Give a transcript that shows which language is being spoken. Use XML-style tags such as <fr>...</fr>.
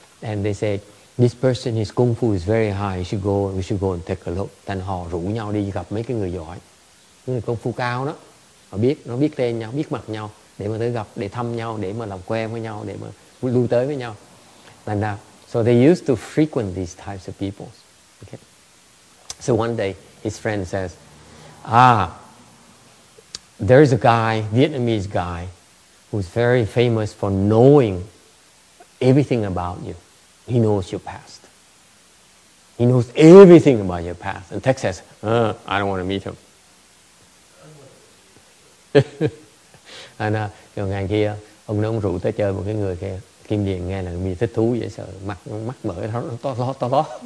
<en>And they say, this person, his kung fu is very high. We should go and take a look.</en> <vi>Thành họ rủ nhau đi gặp mấy cái người giỏi, người kung fu cao đó. Họ biết, nó biết tên nhau, biết mặt nhau, để mà tới gặp, để thăm nhau, để mà làm quen với nhau, để mà lui tới với nhau.</vi> <en>And so they used to frequent these types of people. Okay. So one day, his friend says, ah, there is a guy, Vietnamese guy, who's very famous for knowing everything about you. He knows your past. He knows everything about your past. And Tech says, I don't want to meet him.</en> <vi>And ngày kia, ông nó rủ tới chơi một cái người kia. Kim Điền nghe là mình thích thú dễ sợ. Mắt mở to lo.</vi>